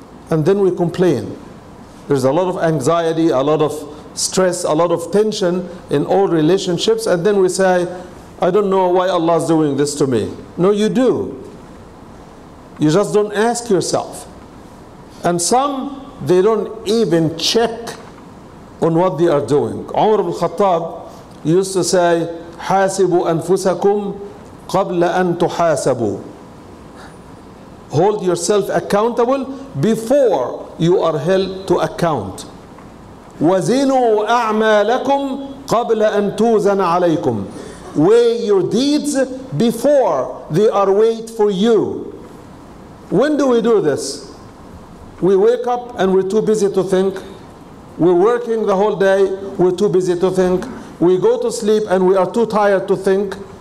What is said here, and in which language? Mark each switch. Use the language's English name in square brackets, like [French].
[English] And then we complain. There's a lot of anxiety, a lot of stress, a lot of tension in all relationships, and then we say, I don't know why Allah is doing this to me. No, you do. You just don't ask yourself. And some, they don't even check on what they are doing. Umar ibn Khattab used to say, [Arabic] حاسبوا أنفسكم قبل أن تحاسبوا. [English] Hold yourself accountable before you are held to account. [Arabic] وزنوا أعمالكم قبل أن توزن عليكم. [English] Weigh your deeds before they are weighed for you. When do we do this? We wake up and we're too busy to think. We're working the whole day, we're too busy to think. We go to sleep and we are too tired to think.